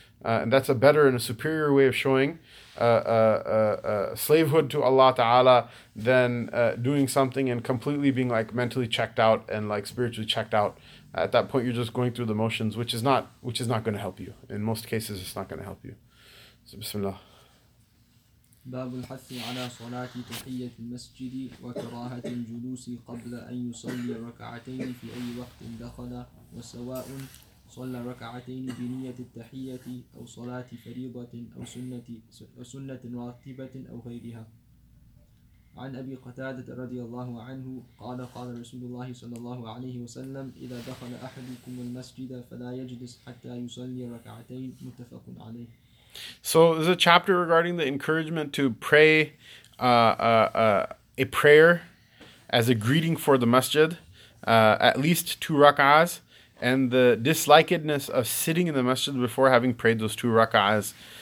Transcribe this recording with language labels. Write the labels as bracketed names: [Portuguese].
[English] And that's a better and a superior way of showing slavehood to Allah Ta'ala than doing something and completely being like mentally checked out and like spiritually checked out. At that point, you're just going through the motions, which is not going to help you. In most cases, it's not going to help you. So, bismillah. [Arabic] باب الحث على صلاة تحية المسجد وكراهة الجلوس قبل أن يصلي ركعتين في أي وقت دخل وسواء صلى ركعتين بنية التحية أو صلاة فريضة أو سنة راتبة أو غيرها. عن أبي قتادة رضي الله عنه قال رسول الله صلى الله عليه وسلم إذا دخل أحدكم المسجد فلا يجلس حتى يصلي ركعتين. متفق عليه. [English] So there's a chapter regarding the encouragement to pray a prayer as a greeting for the masjid, at least two rak'ahs, and the dislikedness of sitting in the masjid before having prayed those two rak'ahs.